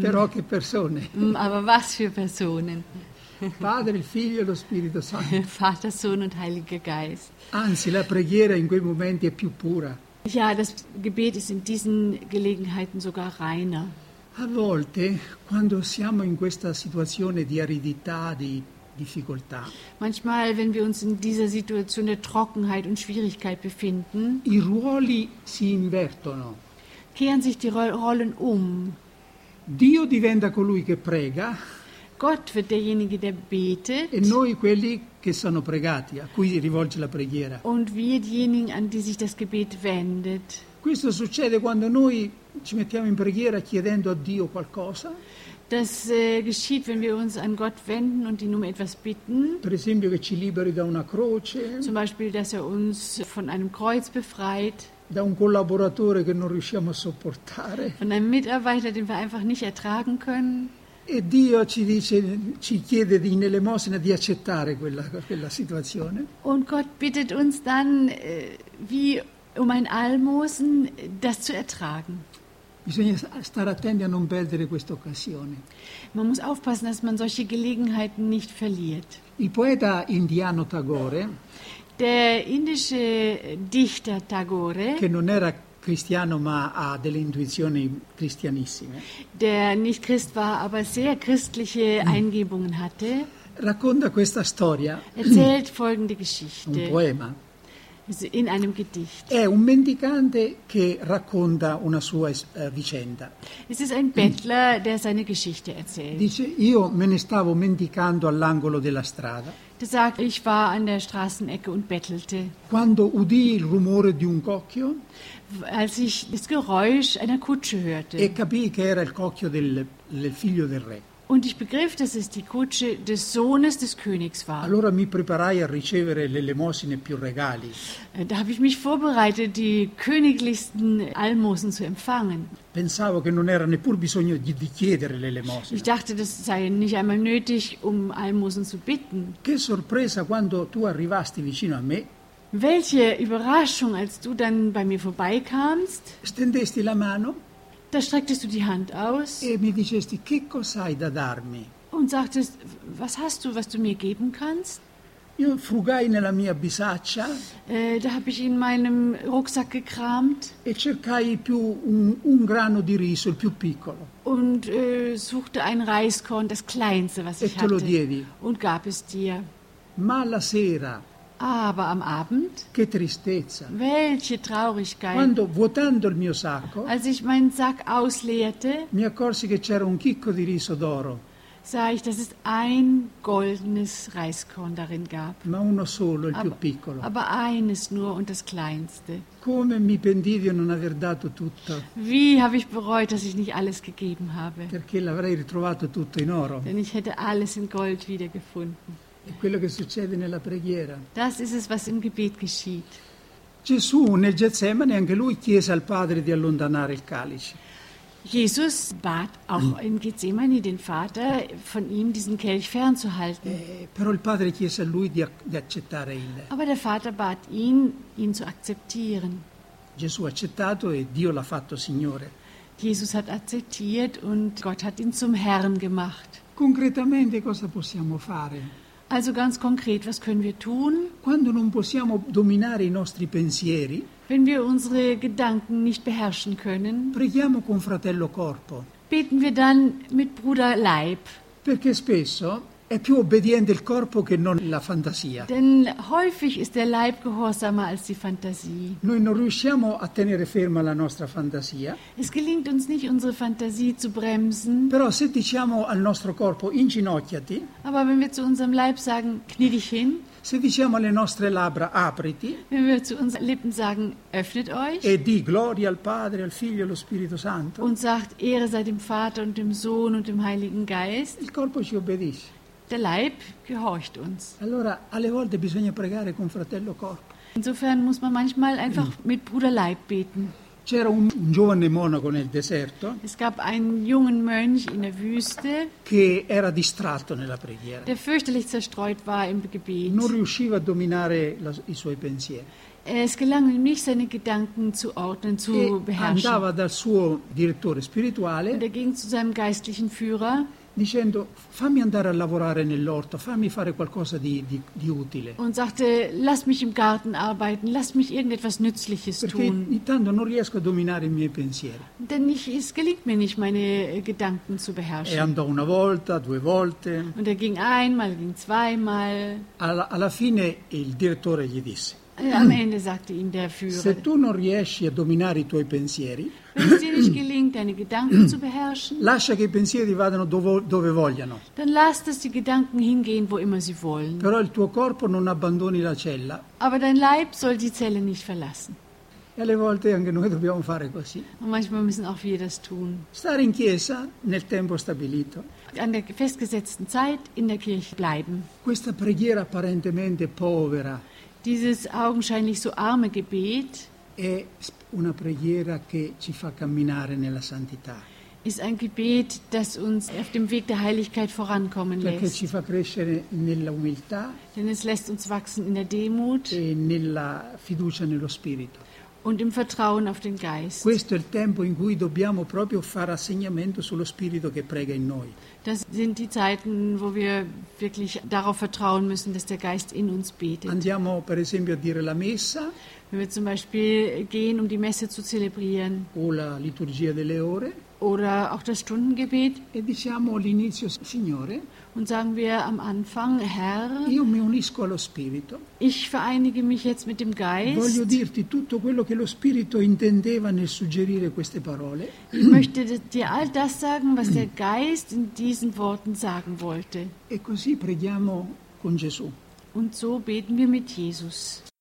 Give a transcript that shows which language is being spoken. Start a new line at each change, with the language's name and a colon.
Italian: Però che persone.
German: Aber was für Personen?
Italian: Padre, il Figlio e lo Spirito Santo.
German: Vater, Sohn und Heiliger Geist.
Italian: Anzi, la preghiera in quei momenti è più pura.
German: Ja, das Gebet ist in diesen Gelegenheiten sogar reiner.
Italian: A volte, quando siamo in questa situazione di aridità, di difficoltà.
German: Manchmal, wenn wir uns in dieser Situation der Trockenheit und Schwierigkeit befinden,
Italian: i ruoli si invertono.
German: Kehren sich die Rollen um.
Italian: Dio diventa colui che prega.
German: Gott wird derjenige, der betet.
Italian: E noi quelli che sono pregati, a cui rivolge la preghiera.
German: Und wir diejenigen, an die sich das Gebet wendet.
Italian: Questo succede quando noi ci mettiamo in preghiera chiedendo a Dio qualcosa.
German: Das geschieht, wenn wir uns an Gott wenden und ihn um etwas bitten.
Italian: Per esempio, che ci liberi da una croce.
German: Zum Beispiel, dass er uns von einem Kreuz befreit.
Italian: Da un collaboratore che non riusciamo a sopportare.
German: Von einem Mitarbeiter, den wir einfach nicht ertragen können.
Italian: E Dio ci dice, ci chiede in elemosina di accettare quella situazione.
German: Und Gott bittet uns dann wie um ein Almosen, das zu ertragen.
Italian: Bisogna stare attenti a non perdere questa occasione.
German: Man muss aufpassen, dass man solche Gelegenheiten nicht verliert.
Italian: Il poeta indiano Tagore,
German: der indische Dichter Tagore,
Italian: che non era cristiano ma ha delle intuizioni cristianissime,
German: der nicht Christ war, aber sehr christliche Eingebungen hatte,
Italian: racconta questa storia,
German: erzählt folgende Geschichte,
Italian: un poema.
German: In einem Gedicht.
Italian: È un mendicante che racconta una sua vicenda.
German: Es ist ein Bettler, der seine Geschichte erzählt.
Italian: Dice, io me ne stavo mendicando all'angolo della strada.
German: Das sagt, ich war an der Straßenecke und bettelte.
Italian: Quando udì il rumore di un cocchio.
German: Als ich das Geräusch einer Kutsche hörte.
Italian: E capì che era il cocchio del figlio del re.
German: Und ich begriff, dass es die Kutsche des Sohnes des Königs war.
Italian: Allora mi preparai a ricevere le elemosine più regali.
German: Da habe ich mich vorbereitet, die königlichsten Almosen zu empfangen.
Italian: Pensavo che non era neppur bisogno di chiedere le elemosine.
German: Ich dachte, das sei nicht einmal nötig, um Almosen zu bitten.
Italian: Che sorpresa quando tu arrivasti vicino a me.
German: Welche Überraschung, als du dann bei mir vorbeikamst.
Italian: Stendesti la mano.
German: Da strecktest du die Hand aus
Italian: e mi dicesti, che cosa hai da darmi?
German: Und sagtest, was hast du, was du mir geben kannst?
Italian: Io frugai nella mia bisaccia,
German: da habe ich in meinem Rucksack gekramt
Italian: e cercai più un grano di riso, il più piccolo.
German: Und suchte ein Reiskorn, das kleinste, was
Italian: e
German: ich hatte.
Italian: Lo diedi.
German: Und gab es dir.
Italian: Ma la sera.
German: Aber am Abend,
Italian: che tristezza.
German: Welche Traurigkeit.
Italian: Quando, vuotando il mio sacco,
German: als ich meinen Sack ausleerte,
Italian: mi accorsi che c'era un chicco di riso d'oro.
German: Sah ich, dass es ein goldenes Reiskorn darin gab.
Italian: Ma uno solo, il più piccolo.
German: Aber eines nur und das kleinste.
Italian: Come mi pentì di non aver dato tutto.
German: Wie habe ich bereut, dass ich nicht alles gegeben habe.
Italian: Perché l'avrei ritrovato tutto in oro.
German: Denn ich hätte alles in Gold wiedergefunden.
Italian: È quello che succede nella preghiera.
German: Das ist es, was im Gebet geschieht.
Italian: Gesù nel Getsemane anche lui chiese al Padre di allontanare il calice.
German: Jesus bat auch in Getsemane den Vater, von ihm diesen Kelch fernzuhalten.
Italian: Però il Padre chiese a lui di accettare il.
German: Aber der Vater bat ihn zu akzeptieren.
Italian: Gesù ha accettato e Dio l'ha fatto Signore.
German: Jesus hat akzeptiert und Gott hat ihn zum Herrn gemacht.
Italian: Konkretamente cosa possiamo fare?
German: Also ganz konkret, was können wir tun?
Italian: Quando non possiamo dominare i nostri pensieri,
German: wenn wir unsere Gedanken nicht beherrschen können,
Italian: preghiamo con fratello corpo.
German: Beten wir dann mit Bruder Leib.
Italian: Perché spesso è più obbediente il corpo che non la fantasia.
German: Denn häufig ist der Leib gehorsamer als die Fantasie.
Italian: Noi non riusciamo a tenere ferma la nostra fantasia.
German: Es gelingt uns nicht, unsere Fantasie zu bremsen.
Italian: Però se diciamo al nostro corpo inginocchiati.
German: Aber wenn wir zu unserem Leib sagen, knie dich hin.
Italian: Se diciamo alle nostre labbra, apriti.
German: Wenn wir zu unseren Lippen sagen, öffnet euch.
Italian: E di gloria al Padre, al Figlio e allo Spirito Santo.
German: Und sagt, Ehre sei dem Vater und dem Sohn und dem Heiligen Geist.
Italian: Il corpo ci obbedisce.
German: Der Leib gehorcht uns.
Italian: Allora, alle volte bisogna pregare con fratello corpo.
German: Insofern muss man manchmal einfach mit Bruder Leib beten.
Italian: C'era un giovane monaco nel deserto.
German: Es gab einen jungen Mönch in der Wüste.
Italian: Che era distratto nella preghiera.
German: Der fürchterlich zerstreut war im Gebet.
Italian: Non riusciva a dominare i suoi pensieri.
German: Es gelang ihm nicht, seine Gedanken zu ordnen, zu beherrschen.
Italian: Andava dal suo direttore spirituale.
German: Und er ging zu seinem geistlichen Führer.
Italian: Dicendo, fammi andare a lavorare nell'orto, fammi fare qualcosa di utile.
German: Und sagte, lass mich im Garten arbeiten, lass mich irgendetwas Nützliches
Italian: Perché
German: tun.
Italian: Perché intanto non riesco a dominare i miei pensieri.
German: Denn es gelingt mir nicht, meine Gedanken zu beherrschen.
Italian: E andò una volta, due volte.
German: Und er ging einmal, ging zweimal.
Italian: Alla fine il direttore gli disse.
German: Am Ende sagte ihm der Führer.
Italian: Se tu non riesci a dominare i tuoi pensieri.
German: Wenn es dir nicht gelingt, deine Gedanken zu beherrschen,
Italian: lascia che i pensieri vadano dove vogliano.
German: Dann lass, dass die Gedanken hingehen, wo immer sie wollen.
Italian: Però il tuo corpo non abbandoni la cella.
German: Aber dein Leib soll die Zelle nicht verlassen.
Italian: E alle volte anche noi dobbiamo fare così.
German: Und manchmal müssen auch wir das tun.
Italian: Stare in chiesa nel tempo stabilito.
German: An der festgesetzten Zeit in der Kirche bleiben.
Italian: Questa preghiera apparentemente povera.
German: Dieses augenscheinlich so arme Gebet.
Italian: È una preghiera che ci fa camminare nella santità.
German: Ist ein Gebet, das uns auf dem Weg der Heiligkeit vorankommen lässt.
Italian: Perché ci fa crescere nella umiltà.
German: Denn es lässt uns wachsen in der Demut.
Italian: E nella fiducia nello Spirito.
German: Und im Vertrauen auf den Geist.
Italian: Questo è il tempo in cui dobbiamo proprio fare assegnamento sullo Spirito che prega in noi.
German: Das sind die Zeiten, wo wir wirklich darauf vertrauen müssen, dass der Geist in uns betet.
Italian: Andiamo per esempio a dire la messa.
German: Wenn wir zum Beispiel gehen, um die Messe zu zelebrieren.
Italian: O la liturgia delle ore.
German: Oder auch das Stundengebet.
Italian: E diciamo l'inizio, Signore.
German: Und sagen wir am Anfang, Herr,
Italian: io mi unisco allo Spirito.
German: Ich vereinige mich jetzt mit dem Geist.
Italian: Voglio dirti tutto quello che lo Spirito intendeva nel suggerire queste parole.
German: Ich möchte dir all das sagen, was der Geist in diesen Worten sagen wollte.
Italian: E così preghiamo con Gesù.
German: Und so beten wir mit Jesus.